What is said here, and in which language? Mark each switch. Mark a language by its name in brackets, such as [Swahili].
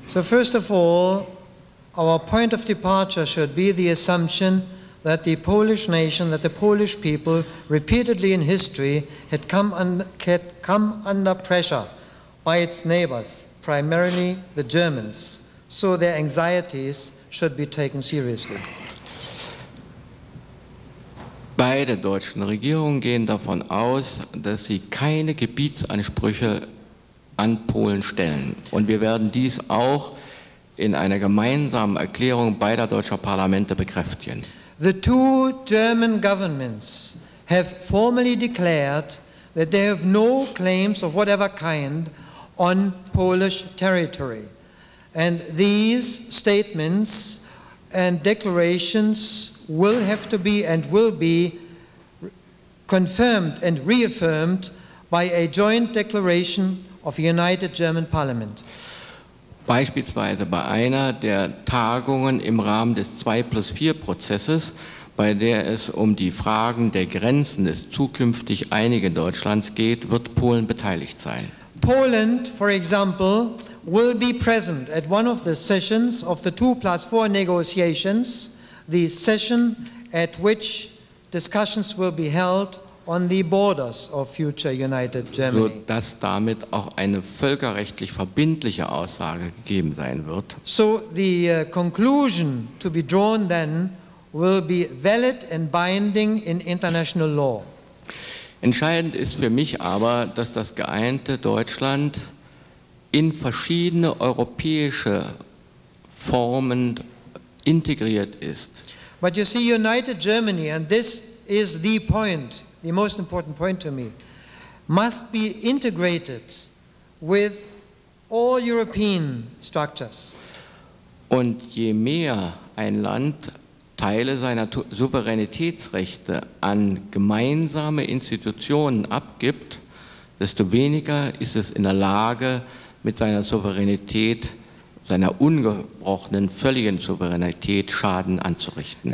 [English] So first of all, our point of departure should be the assumption that the Polish nation, that the Polish people repeatedly in history had come under pressure by its neighbors, primarily the Germans. So their anxieties should be taken seriously. [German] Beide deutschen Regierungen gehen davon aus, dass sie keine Gebietsansprüche an Polen stellen. Und wir werden dies auch in einer gemeinsamen Erklärung beider deutscher Parlamente bekräftigen. [English] The two German governments have formally declared that they have no claims of whatever kind on Polish territory. And these statements and declarations will have to be and will be confirmed and reaffirmed by a joint declaration of the United German Parliament. [German] Beispielsweise bei einer der Tagungen im Rahmen des 2+4-Prozesses, bei der es um die Fragen der Grenzen des zukünftig einigen Deutschlands geht, wird Polen beteiligt sein. [English] Poland, for example, will be present at one of the sessions of the 2+4 negotiations, the session at which discussions will be held on the borders of future United Germany. [German] So dass damit auch eine völkerrechtlich verbindliche Aussage gegeben sein wird. [English] So the conclusion to be drawn then will be valid and binding in international law. [German] Entscheidend ist für mich aber, dass das geeinte Deutschland in verschiedene europäische Formen integriert ist. [English] But you see, United Germany, and this is the point, the most important point to me, must be integrated with all European structures. [German] Und je mehr ein Land Teile seiner Souveränitätsrechte an gemeinsame Institutionen abgibt, desto weniger ist es in der Lage, mit seiner Souveränität, seiner ungebrochenen, völligen Souveränität Schaden anzurichten.